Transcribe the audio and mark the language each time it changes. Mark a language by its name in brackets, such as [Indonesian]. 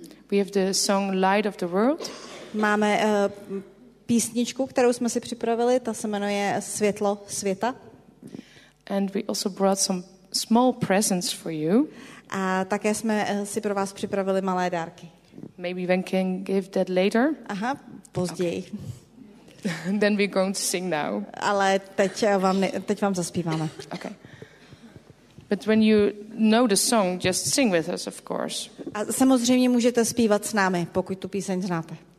[English] We have the song Light of the World. [Czech] Máme písničku, kterou jsme si připravili, ta se jmenuje Světlo světa. [English] And we also brought some small presents for you. [Czech] A také jsme si pro vás připravili malé dárky. [English] Maybe we can give that later. [Czech] Aha, později. [English] Okay. Then we're going to sing now. [Czech] Ale teď vám zaspíváme. [English] Okay. But when you know the song, just sing with us, of course. [Czech] A samozřejmě můžete zpívat s námi, pokud tu píseň znáte.